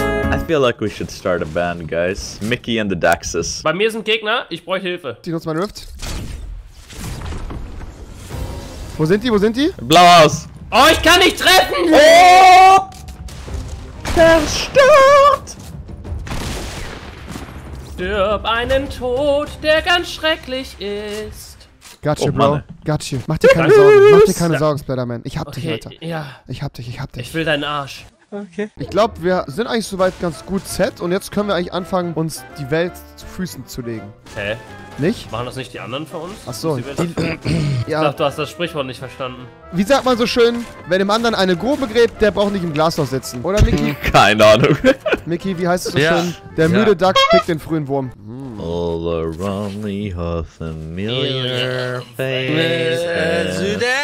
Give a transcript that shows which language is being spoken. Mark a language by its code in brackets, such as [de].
[en] I feel like we should start a band, guys. Mickey and the Daxus. [de] Bei mir sind Gegner, ich bräuchte Hilfe. Die nutzt meine Rift. Wo sind die? Wo sind die? Blau aus. Oh, ich kann nicht treffen! Oh! Zerstört! Stirb einen Tod, der ganz schrecklich ist. [en] Gotcha, oh, Bro. [de] Mann. [en] Gotcha. [de] Mach dir keine Sorgen. Mach dir keine Sorgen, Splatterman. Ich hab dich, Alter. Ja. Ich hab dich. Ich will deinen Arsch. Okay. Ich glaube, wir sind eigentlich soweit ganz gut set und jetzt können wir eigentlich anfangen, uns die Welt zu Füßen zu legen. Hä? Nicht? Machen das nicht die anderen für uns? Ach so. Ja. Ich glaube, du hast das Sprichwort nicht verstanden. Wie sagt man so schön, wer dem anderen eine Grube gräbt, der braucht nicht im Glashaus sitzen. Oder, Mickey? Keine Ahnung. Mickey, wie heißt es so schön? Der müde Duck pickt den frühen Wurm. [en] All around me a familiar faces.